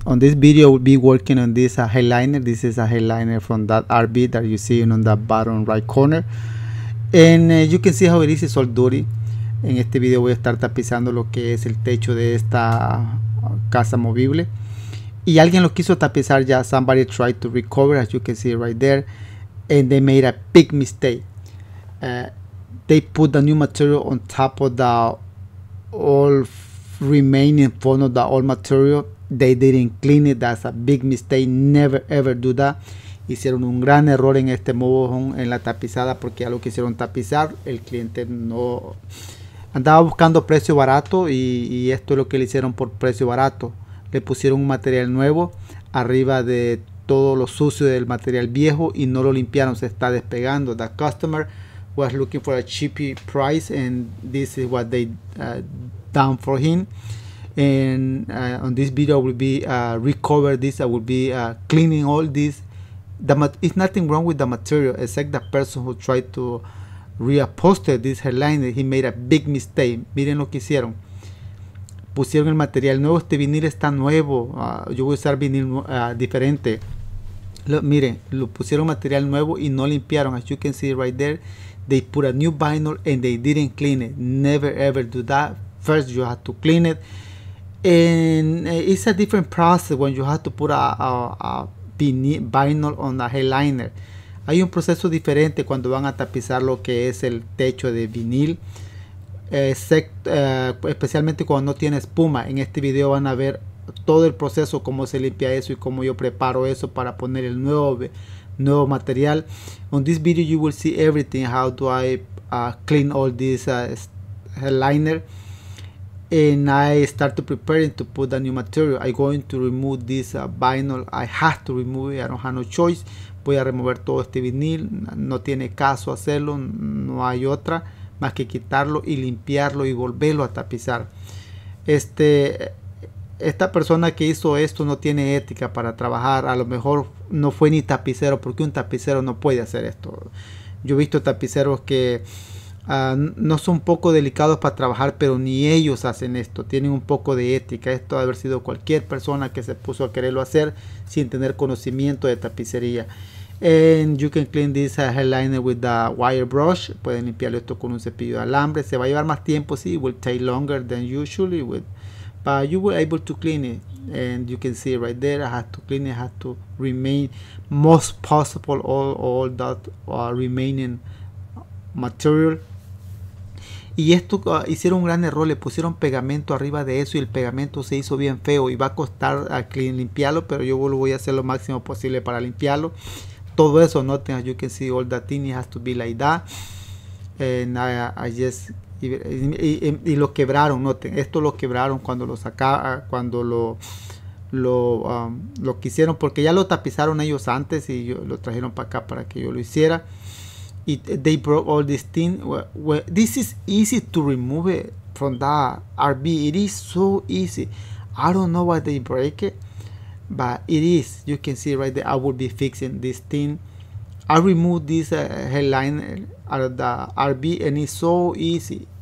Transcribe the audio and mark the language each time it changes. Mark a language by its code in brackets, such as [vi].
[en] On this video, we'll be working on this headliner. This is a headliner from that RV that you see on the bottom right corner. And you can see how it is, it's all dirty. [es] En este video voy a estar tapizando lo que es el techo de esta casa movible. Y alguien lo quiso tapizar ya. [en] Somebody tried to recover, as you can see right there. And they made a big mistake. They put the new material on top of the old remaining phone of the old material. They didn't clean it. That's a big mistake. Never ever do that. [es] Hicieron un gran error en este mobile home, en la tapizada, porque ya lo quisieron tapizar. El cliente no andaba buscando precio barato y esto es lo que le hicieron por precio barato. Le pusieron un material nuevo arriba de todo lo sucio del material viejo y no lo limpiaron. Se está despegando. [en] The customer was looking for a cheap price and this is what they done for him. And on this video will be recover this. I will be cleaning all this. It's nothing wrong with the material except the person who tried to reupholster this headliner. He made a big mistake. [es] Miren lo que hicieron. Pusieron el material nuevo. Este vinil está nuevo. Yo voy a usar vinil diferente. Miren, lo pusieron material nuevo y no limpiaron. [en] As you can see right there, they put a new vinyl and they didn't clean it. Never ever do that. First you have to clean it, and it's a different process when you have to put a vinyl on the headliner. [es] Hay un proceso diferente cuando van a tapizar lo que es el techo de vinil, especialmente cuando no tiene espuma. En este video van a ver todo el proceso, cómo se limpia eso y cómo yo preparo eso para poner el nuevo material. [en] On this video you will see everything, how do I clean all this headliner. And I start to preparing to put the new material. I'm going to remove this vinyl. I have to remove it. I don't have no choice. [es] Voy a remover todo este vinil. No tiene caso hacerlo. No hay otra más que quitarlo y limpiarlo y volverlo a tapizar. Esta persona que hizo esto no tiene ética para trabajar. A lo mejor no fue ni tapicero, porque un tapicero no puede hacer esto. Yo he visto tapiceros que no son un poco delicados para trabajar, pero ni ellos hacen esto. Tienen un poco de ética. Esto debe haber sido cualquier persona que se puso a quererlo hacer sin tener conocimiento de tapicería. [en] And you can clean this headliner with the wire brush. [es] Pueden limpiarlo esto con un cepillo de alambre. Se va a llevar más tiempo, sí. [en] It will take longer than usually, but you will able to clean it. And you can see right there, I have to clean it. I have to remain most possible all that remaining material. [es] Y esto hicieron un gran error, le pusieron pegamento arriba de eso y el pegamento se hizo bien feo y va a costar a limpiarlo, pero yo lo voy a hacer lo máximo posible para limpiarlo todo eso. No tengas, [en] you can see all that thing has to be like that. And I just [es] lo quebraron. Noten, esto lo quebraron cuando lo sacaba, cuando lo quisieron, porque ya lo tapizaron ellos antes y yo, lo trajeron para acá para que yo lo hiciera. [en] They broke all this thing. Well, this is easy to remove it from that RV. It is so easy. I don't know why they break it, but it is. You can see right there. I will be fixing this thing. I removed this headliner out of the RV, and it's so easy.